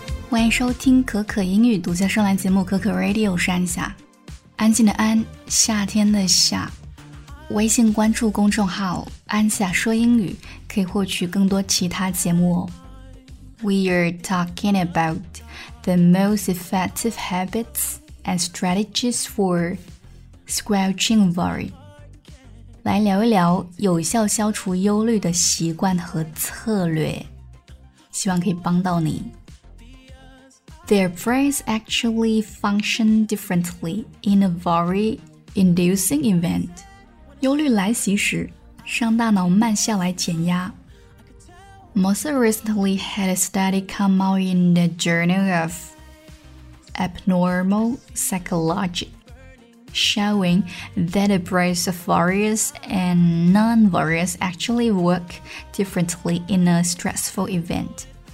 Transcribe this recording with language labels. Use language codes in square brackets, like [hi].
[zh] 欢迎收听可可英语独家专栏节目可可 Radio， 是安夏，安静的安，夏天的夏。微信关注公众号安夏说英语，可以获取更多其他节目哦。 [en] We are talking about the most effective habits and strategies for squelching worry. [zh] 来聊一聊有效消除忧虑的习惯和策略，希望可以帮到你。 [en] Their brains actually function differently in a worry-inducing event. [zh] 忧虑来袭时，让大脑慢下来减压。 [en] Most recently had a study come out in the Journal of Abnormal Psychology, showing that the brains of warriors and non-warriors actually work differently in a stressful event.